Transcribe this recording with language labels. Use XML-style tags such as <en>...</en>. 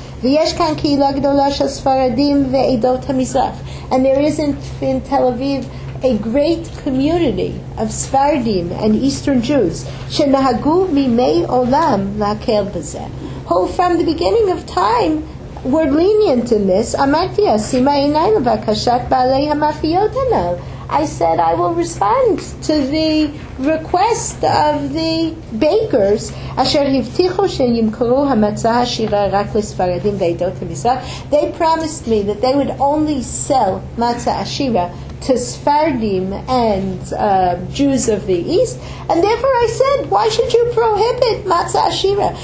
<he>ויש כאן קהילה גדולה של ספרדים ועדות המזרח.</he> <en>And there is in Tel Aviv a great community of Sephardim and Eastern Jews</en> <he>שנהגו מימי עולם להקל בזה.</he> <en>Who from the beginning of time were lenient in this.</en> <he>אמרתי, שימה עיניים בבקשת בעלי המאפיות הנ"ל.</he> <en>I said, I will respond to the request of the bakers</en> <he>אשר הבטיחו שימכרו המצה השירה רק לספרדים ועדות המזרח.</he> <en>They promised me that they would only sell matzah ashira to Sephardim and Jews of the East, and therefore I said, why should you prohibit matzah ashira?</en>